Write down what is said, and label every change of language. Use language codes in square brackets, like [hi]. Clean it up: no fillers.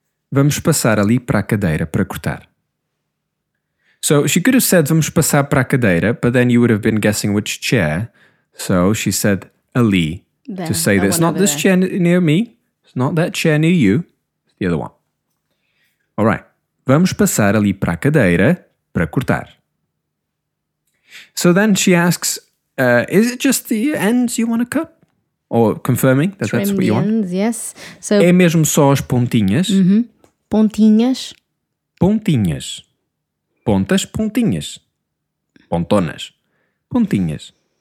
[pt] Vamos passar ali para a cadeira para cortar. [en] So she could have said, [pt] vamos passar para a cadeira, [en] but then you would have been guessing which chair. So she said, ali, there, to say that it's not this there. Chair near me. It's not that chair near you. It's the other one. All right. [pt] Vamos passar ali para a cadeira para cortar. [en] So then she asks, is it just the ends you want to cut? Or confirming that trim, that's what you ends, want? Yes. [pt] So, é mesmo só as pontinhas? Mm-hmm. Pontinhas. Pontinhas. Pontas, pontinhas. Pontonas. Pontinhas.